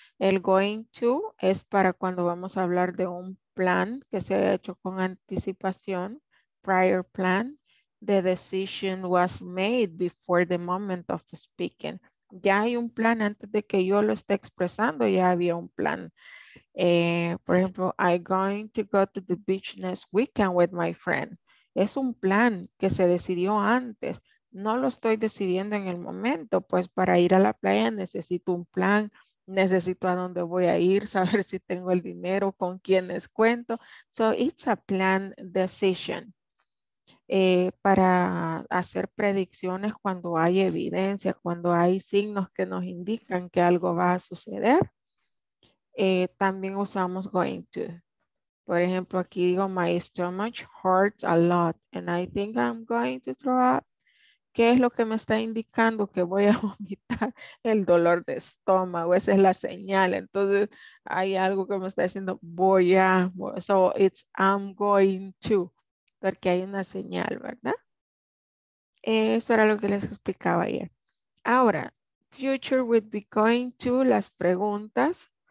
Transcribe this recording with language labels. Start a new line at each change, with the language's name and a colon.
Spanish: El going to es para cuando vamos a hablar de un plan que se ha hecho con anticipación, prior plan, the decision was made before the moment of speaking. Ya hay un plan antes de que yo lo esté expresando, ya había un plan.
English: Por ejemplo, I'm going to go to the beach next weekend with my friend.
Spanish: Es un plan que se decidió antes. No lo estoy decidiendo en el momento, pues para ir a la playa necesito un plan. Necesito a dónde voy a ir, saber si tengo el dinero, con quiénes cuento. So it's a plan decision. Para hacer predicciones cuando hay evidencia, cuando hay signos que nos indican que algo va a suceder. También usamos going to.
English: Por ejemplo, aquí digo, my stomach hurts a lot and I think I'm going to throw up.
Spanish: ¿Qué es lo que me está indicando que voy a vomitar? El dolor de estómago, esa es la señal. Entonces, hay algo que me está diciendo, voy a, so it's I'm going to, porque hay una señal, ¿verdad? Eso era lo que les explicaba ayer. Ahora, future with be going to, las preguntas.